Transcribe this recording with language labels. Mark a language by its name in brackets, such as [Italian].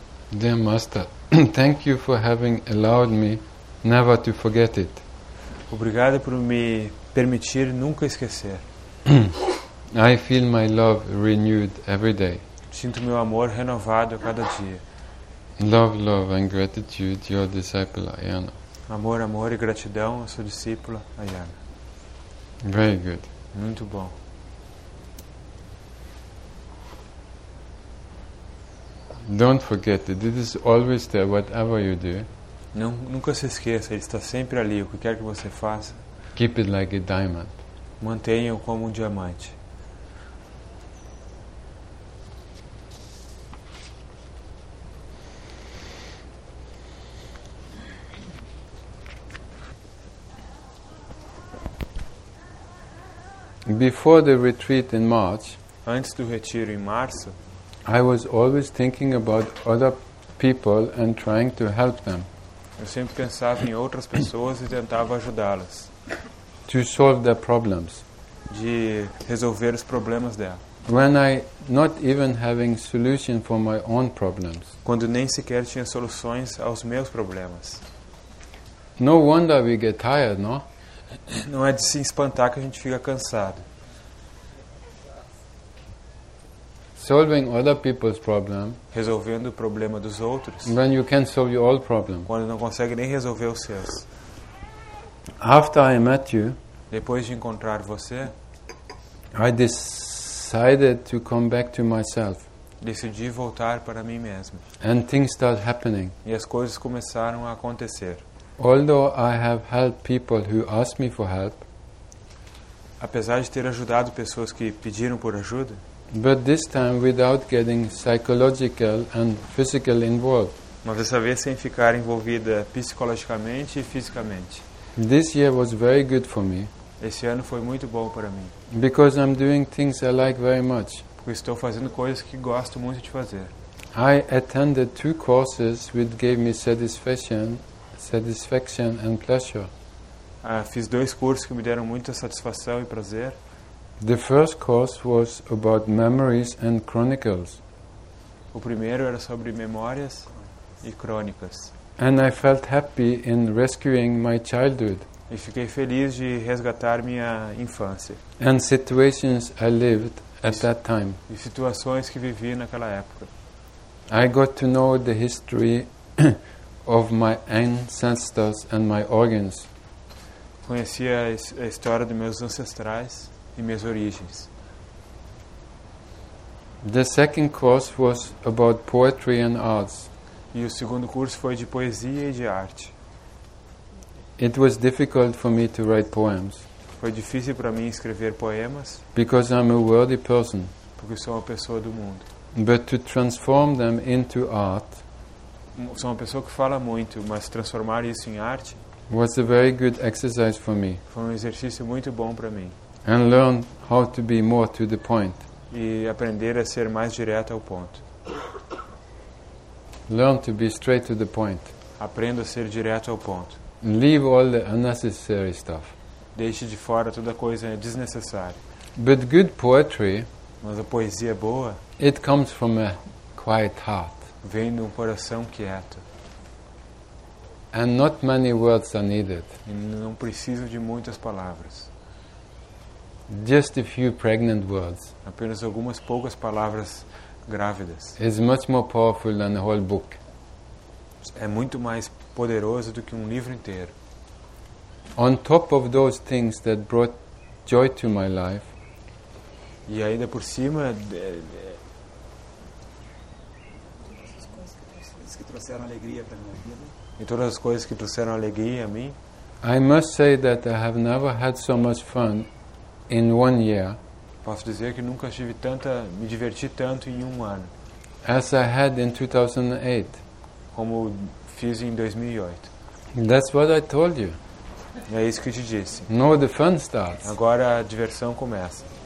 [English] Dear Master, thank you for having allowed me never to forget it. [Portuguese] Obrigado por me permitir nunca esquecer. [English] I feel my love renewed every day. [Portuguese] Sinto meu amor renovado a cada dia. [English] Love and gratitude, your disciple Ayana. [Portuguese] Amor e gratidão, a sua discípula Ayana. [English] Very good. [Portuguese] Muito bom. [English] Don't forget it. It is always there, whatever you do. [Portuguese] Nunca se esqueça. Ele está sempre ali. O que quer que você faça. [English] Keep it like a diamond. [Portuguese] Mantenha-o como um diamante. [English] Before the retreat in March, [Portuguese] antes do retiro em março, [English] I was always thinking about other people and trying to help them. [Portuguese] Eu sempre pensava em outras pessoas e tentava ajudá-las. [English] To solve their problems. [Portuguese] De resolver os problemas dela. [English] When I not even having solution for my own problems. [Portuguese] Quando nem sequer tinha soluções aos meus problemas. [English] No wonder we get tired, no? [Portuguese] Não é de se espantar que a gente fica cansado. [English] Solving other people's problem, [Portuguese] resolvendo o problema dos outros. [English] When you can solve your own problem. [Portuguese] Quando não consegue nem resolver os seus. [English] After I met you, [Portuguese] depois de encontrar você, [English] I decided to come back to myself. [Portuguese] Decidi voltar para mim mesmo. [English] And things start happening. [Portuguese] E as coisas começaram a acontecer. [English] Although I have helped people who asked me for help, [Portuguese] apesar de ter ajudado pessoas que pediram por ajuda, [English] but this time without getting psychological and physically involved. [Portuguese] Mas dessa vez sem ficar envolvida psicologicamente e fisicamente. [English] This year was very good for me. [Portuguese] Esse ano foi muito bom para mim. [English] Because I'm doing things I like very much. [Portuguese] Porque estou fazendo coisas que gosto muito de fazer. [English] I attended two courses which gave me satisfaction and pleasure. [Portuguese] Fiz dois cursos que me deram muita satisfação e prazer. [English] The first course was about memories and chronicles. [Portuguese] O primeiro era sobre memórias e crônicas. [English] And I felt happy in rescuing my childhood. [Portuguese] E fiquei feliz de resgatar minha infância. [English] And situations I lived at that time. [Portuguese] E situações que vivi naquela época. [English] I got to know the history of my ancestors and my organs. [Portuguese] Conheci a história dos meus ancestrais e minhas origens. [English] The second course was about poetry and arts. [Portuguese] E o segundo curso foi de poesia e de arte. [English] It was difficult for me to write poems. [Portuguese] Foi difícil para mim escrever poemas. [English] Because I'm a worldly person. [Portuguese] Porque sou uma pessoa do mundo. [English] But to transform them into art. [Portuguese] Sou uma pessoa que fala muito, mas transformar isso em arte. [English] Was a very good exercise for me. [Portuguese] Foi um exercício muito bom para mim. [English] And learn how to be more to the point. [Portuguese] E aprender a ser mais direto ao ponto. [English] Learn to be straight to the point. [Portuguese] Aprenda a ser direto ao ponto. [English] Leave all the unnecessary stuff. [Portuguese] Deixe de fora toda coisa desnecessária. [English] But good poetry, [Portuguese] mas a poesia boa, [English] it comes from a quiet heart. [Portuguese] Vem de um coração quieto. [English] And not many words are needed. [Portuguese] E não preciso de muitas palavras. [English] Just a few pregnant words. [Portuguese] Apenas algumas poucas palavras grávidas. [English] It's much more powerful than a whole book. [Portuguese] É muito mais poderoso do que um livro inteiro. [English] On top of those things that brought joy to my life. [Portuguese] E ainda por cima, e todas as coisas que trouxeram alegria a mim. [English] I must say that I have never had so much fun in 1 year. [Portuguese] Posso dizer que nunca tive tanta, me diverti tanto em um ano. [English] As I had in 2008. [Portuguese] Como fiz em 2008. [English] That's what I told you. [Portuguese] É isso que te disse. [English] Now the fun starts. [Portuguese] Agora a diversão começa.